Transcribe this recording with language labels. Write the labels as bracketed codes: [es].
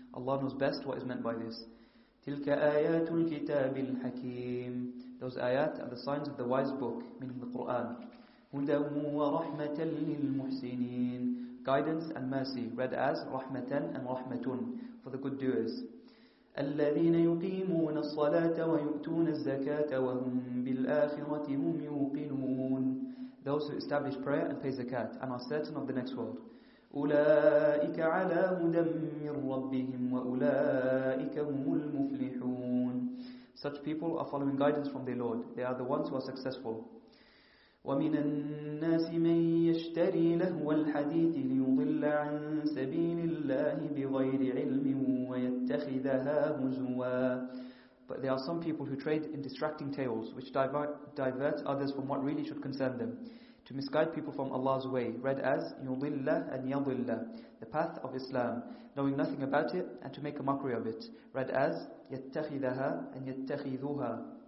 [en] Allah knows best what is meant by this. [ar] Tilka ayatul kitabil hakim. [en] Those ayat are the signs of the wise book, meaning the Quran. [ar] Hudan wa rahmatan lil muhsinin. [en] Guidance and mercy, read as rahmatan and rahmatun, for the good doers. [ar] الذين يقيمون الصلاة ويؤتون الزكاة وهم بالآخرة هم يوقنون. [en] Those who establish prayer and pay zakat and are certain of the next world. [ar] أولئك على هدى من ربهم وأولئك هم المفلحون. [en] Such people are following guidance from their Lord. They are the ones who are successful. [ar] ومن الناس من يشتري لهو الحديث ليضل عن سبيل الله بغير علم ويتخذها هزوا. [en] But there are some people who trade in distracting tales, which divert others from what really should concern them, to misguide people from Allah's way, read as يضل and يضل, the path of Islam, knowing nothing about it, and to make a mockery of it, read as يتخذها and يتخذوها.